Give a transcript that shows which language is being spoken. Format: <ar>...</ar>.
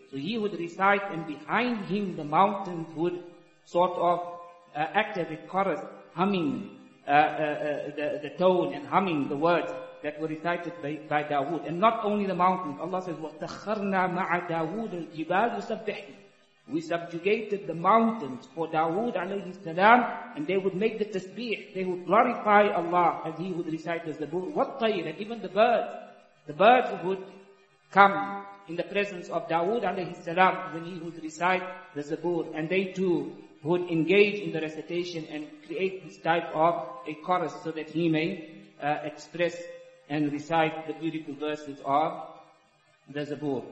<en>So he would recite, and behind him the mountains would sort of act as a chorus, humming the tone and humming the words that were recited by Dawood. And not only the mountains. Allah says,</en> <ar>وَتَخَّرْنَا مَعَ دَاوُودَ الْجِبَالُ يُسَبِّحْنَ.</ar> <en>We subjugated the mountains for Dawood alayhi salam, and they would make the tasbih. They would glorify Allah as he would recite the Zabur.</en> <ar>وَالطَّيْرَ.</ar> <en>And even the birds would come in the presence of Dawood alayhi salam when he would recite the Zabur, and they too would engage in the recitation and create this type of a chorus so that he may express and recite the beautiful verses of the Zabur.</en>